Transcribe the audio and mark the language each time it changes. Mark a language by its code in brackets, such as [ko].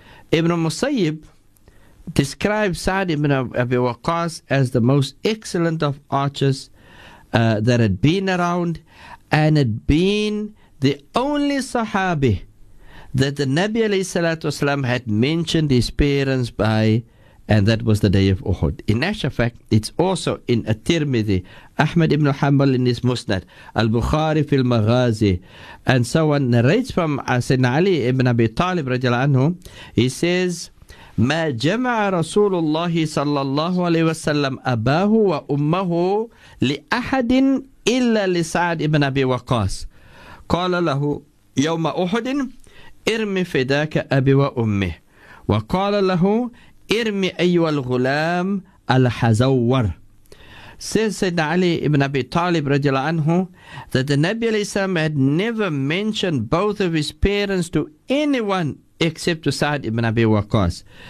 [en] Ibn Musayyib describes Sa'd ibn Abi Waqqas as the most excellent of archers that had been around, and had been the only Sahabi that the Nabi Sallallahu Alaihi Wasallam had mentioned his parents by. And that was the day of Uhud. In actual fact, it's also in At-Tirmidhi, Ahmad ibn Hanbal in his Musnad, Al-Bukhari fil Maghazi, and so on, narrates from Sayyidina Ali ibn Abi Talib radiallahu anhu. [ar] He says, ما جمع رسول الله صلى الله عليه وسلم أباه وأمه لأحد إلا لسعد ابن أبي وقاص. قال له يوم أحد ارمي فداك أبي وأمي. وقال له Irmi ayyul ghulam al-hazawwar. [en] Says Sayyidina Ali ibn Abi Talib radiallahu anhu, that the Nabi alayhi salam had never mentioned both of his parents to anyone except to Sa'd ibn Abi Waqqas.